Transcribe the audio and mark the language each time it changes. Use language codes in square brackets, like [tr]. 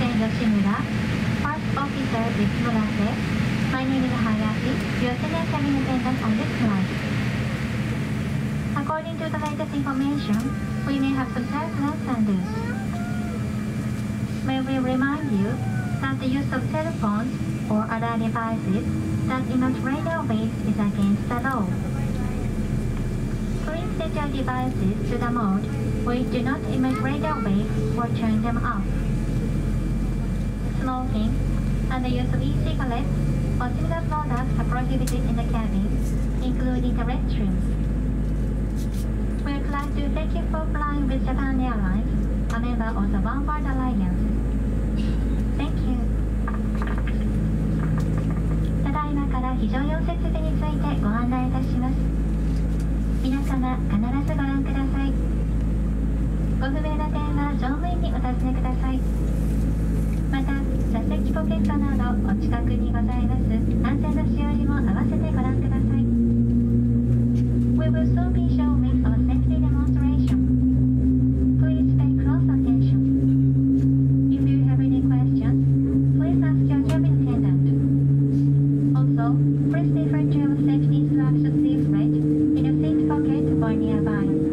[ja] 吉村、ファーストオフィサー吉村です。 [en] My name is Hayashi, your senior cabin attendant on this flight. According to the latest information, we may have some turbulence and this. May we remind you that the use of telephones or other devices that emit radio waves is against the law. Please set your devices to the mode where you do not emit radio waves or turn them off. Smoking and the use of e-cigarettes or similar products are prohibited in the cabin, including the restroom. We're glad to thank you for flying with Japan Airlines, a member of the Oneworld Alliance. Thank you. [ja] ただいまから非常用設備についてご案内いたします。皆様、必ずご覧ください。ご不明な点は乗務員にお尋ねください。座席ポケットなどお近くにございます安全のしおりも合わせてご覧ください。 [en] We will soon be showing our safety demonstration. Please pay close attention. If you have any questions, please ask your cabin attendant. Also, please refer to your safety instruction leaflet in your seat pocket or nearby.